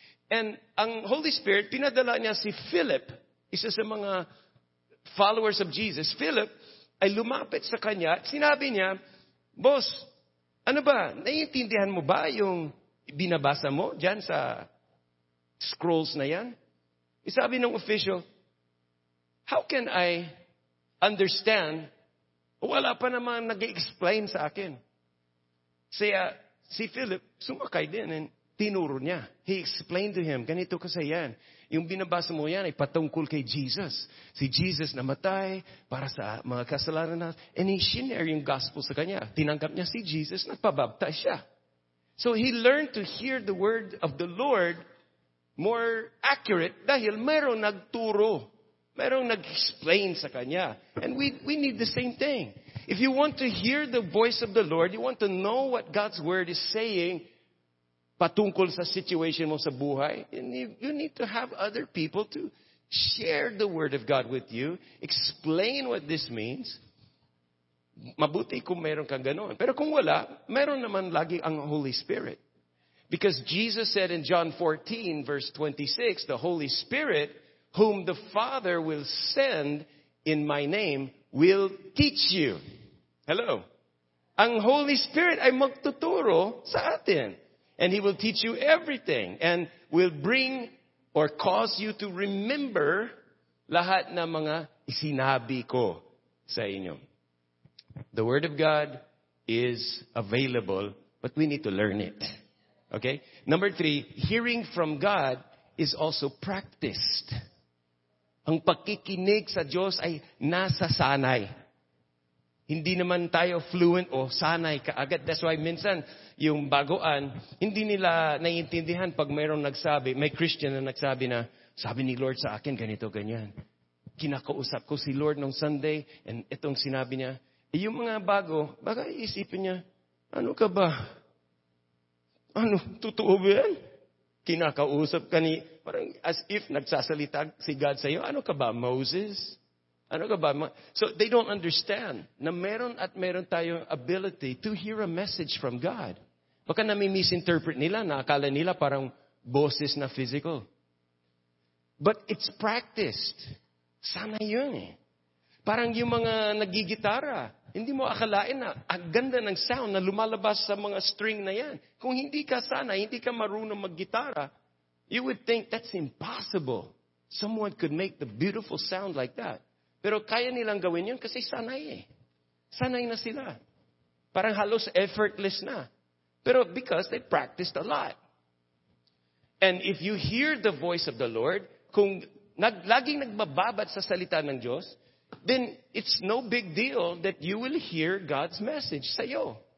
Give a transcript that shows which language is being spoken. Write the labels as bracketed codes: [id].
[tl] And ang Holy Spirit, pinadala niya si Philip, isa sa mga [en] followers of Jesus. [tl] Philip ay lumapit sa kanya at sinabi niya, Boss, ano ba, naiintindihan mo ba yung binabasa mo dyan sa scrolls na yan? Isabi ng [en] official, how can I understand? [tl] Wala pa naman nag-explain sa akin. Kaya si Philip, sumakay din and tinuro niya. [en] He explained to him, [tl] ganito kasi yan. Yung binabasa mo yan ay patungkol kay Jesus. Si Jesus namatay para sa mga kasalanan na. And he shinare yung gospel sa kanya. Tinanggap niya si Jesus, nagpabaptize siya. [en] So he learned to hear the word of the Lord more accurate [tl] dahil mayroong nagturo. Mayroong nag-explain sa kanya. [en] And we need the same thing. If you want to hear the voice of the Lord, you want to know what God's word is saying [tl] patungkol sa situation mo sa buhay, [en] and you need to have other people to share the word of God with you, explain what this means. [tl] Mabuti kung meron kang ganoon. Pero kung wala, meron naman lagi ang [en] Holy Spirit. Because Jesus said in John 14, verse 26, the Holy Spirit, whom the Father will send in my name, will teach you. Hello. [tl] Ang Holy Spirit ay magtuturo sa atin. [en] And He will teach you everything and will bring or cause you to remember [tl] lahat na mga isinabi ko sa inyo. [en] The Word of God is available, but we need to learn it. Okay? Number three, hearing from God is also practiced. [tl] Ang pakikinig sa Diyos ay nasa sanay. Hindi naman tayo fluent o sanay kaagad. [en] That's why [tl] minsan, yung baguan, hindi nila naiintindihan pag mayroong nagsabi, may Christian na nagsabi na, sabi ni Lord sa akin, ganito, ganyan. Kinakausap ko si Lord nung Sunday, and itong sinabi niya, eh, yung mga bago, baka iisipin niya, ano ka ba? Ano, totoo ba yan? Kinakausap ka ni, [en] parang as if [tl] nagsasalita si God sa iyo, ano ka ba, Moses? Ano ka ba? [en] So they don't understand [tl] na meron at meron tayong [en] ability to hear a message from God. [tl] Baka nami-misinterpret nila na akala nila parang boses na physical. [en] But it's practiced. [tl] Sana yun eh. Parang yung mga nagigitara, hindi mo akalain na ang ganda ng sound na lumalabas sa mga string na yan. Kung hindi ka sana, hindi ka marunong mag-gitara, [en] You would think that's impossible. Someone could make the beautiful sound like that. [tl] Pero kaya nilang gawin yun kasi sanay eh. Sanay na sila. Parang halos effortless na. Pero [en] because they practiced a lot. And if you hear the voice of the Lord, [tl] kung laging nagbababad sa salita ng Diyos, [en] then it's no big deal that you will hear God's message sa'yo.